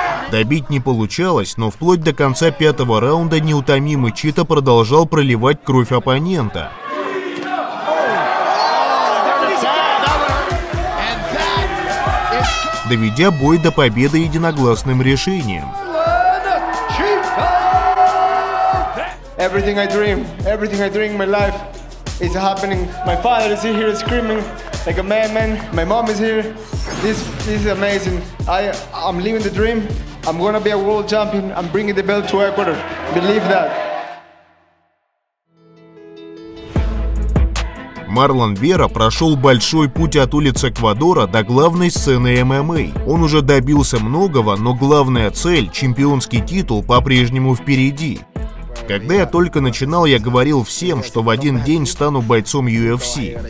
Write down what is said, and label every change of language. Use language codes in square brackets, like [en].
[ru] Добить не получалось, но вплоть до конца пятого раунда неутомимый Чито продолжал проливать кровь оппонента. Доведя бой до победы единогласным решением. [en] Everything I dream my life is happening. My father is here screaming like a madman. My mom is here. This is amazing. I'm living the dream. I'm gonna be a world champion. I'm bringing the belt to Ecuador. Believe that. [ru] Марлон Вера прошел большой путь от улиц Эквадора до главной сцены ММА. Он уже добился многого, но главная цель, чемпионский титул, по-прежнему впереди. Когда я только начинал, я говорил всем, что в один день стану бойцом UFC.